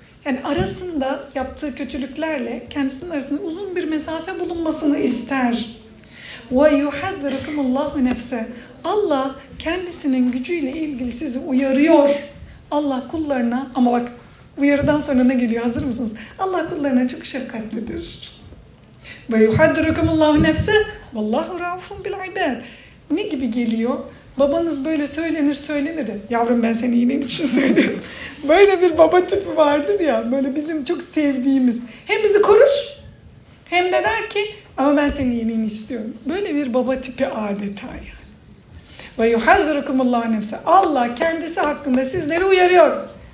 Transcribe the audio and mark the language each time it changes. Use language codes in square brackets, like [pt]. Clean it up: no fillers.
[tr] Yani arasında, yaptığı kötülüklerle kendisinin arasında uzun bir mesafe bulunmasını ister. [ar] وَيُحَذِّرُكُمُ اللّٰهُ نَفْسَ [tr] Allah kendisinin gücüyle ilgili sizi uyarıyor. Allah kullarına, ama bak uyarıdan sonra ne geliyor, hazır mısınız? Allah kullarına çok şefkatlidir. [ar] وَيُحَذِّرُكُمُ اللّٰهُ نَفْسَ وَاللّٰهُ رَعُفٌ بِالْعِبَادِ [tr] Ne gibi geliyor? Babanız böyle söylenir söylenir de, yavrum ben seni iyiliğin için söylüyorum. Böyle bir baba tipi vardır ya, böyle bizim çok sevdiğimiz. Hem bizi korur, hem de der ki, ama ben seni iyiliğin istiyorum. Böyle bir baba tipi adeta yani. [ar] وَيُحَذِّرُكُمُ اللّٰهُ نَفْسَ [tr] Allah kendisi hakkında sizleri uyarıyor.